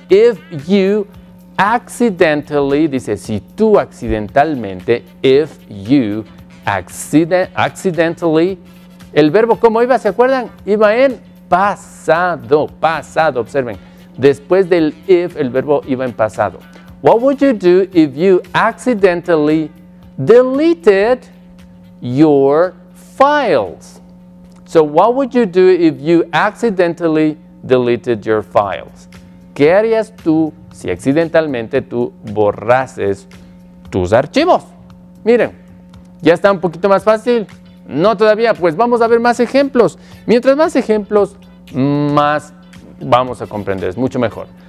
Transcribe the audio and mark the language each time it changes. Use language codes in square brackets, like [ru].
[en] If you accidentally, [es] dice, si tú accidentalmente, [en] if you accidentally, [es] el verbo, ¿cómo iba? ¿Se acuerdan? Iba en pasado, pasado, observen. Después del if, el verbo iba en pasado. [en] What would you do if you accidentally deleted your files? So, what would you do if you accidentally deleted your files? [es] ¿Qué harías tú si accidentalmente tú borrases tus archivos? Miren, ¿ya está un poquito más fácil? No todavía, pues vamos a ver más ejemplos. Mientras más ejemplos, más vamos a comprender, es mucho mejor.